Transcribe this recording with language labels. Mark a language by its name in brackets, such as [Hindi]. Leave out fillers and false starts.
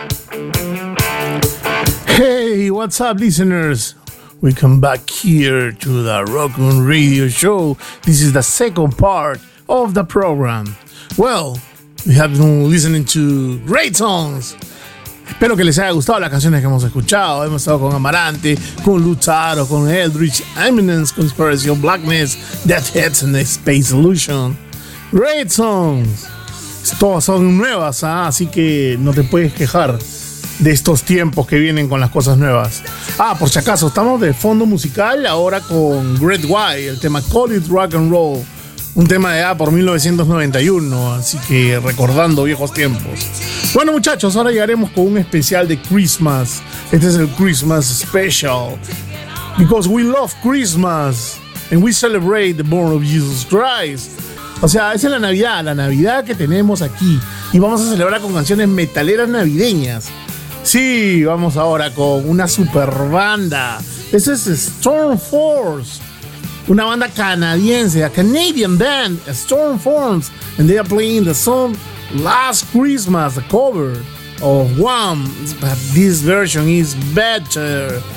[English] What's up, listeners? We come back here to the Rockoon Radio Show. This is the second part of the program. Well, we have been listening to great songs. [Spanish] Espero que les haya gustado las canciones que hemos escuchado. Hemos estado con Amarante, con Lutaro, con Eldritch, Eminence, Conspiracy of Blackness, Death Heads and the Space Illusion. [English] Great songs. [Spanish] Todas son nuevas, ¿eh? Así que no te puedes quejar de estos tiempos que vienen con las cosas nuevas. Ah, por si acaso, estamos de fondo musical ahora con Great White, el tema Call It Rock and Roll, un tema de por 1991, así que recordando viejos tiempos. Bueno, muchachos, ahora llegaremos con un especial de Christmas. Este es el [English] Christmas Special, because we love Christmas and we celebrate the born of Jesus Christ. [Spanish] O sea, esa es la Navidad que tenemos aquí, y vamos a celebrar con canciones metaleras navideñas. Sí, vamos ahora con una super banda. Esa es [English] Storm Force, [Spanish] una banda canadiense, [English] a Canadian band, Storm Force, and they are playing the song Last Christmas, a cover of Wham, but this version is better.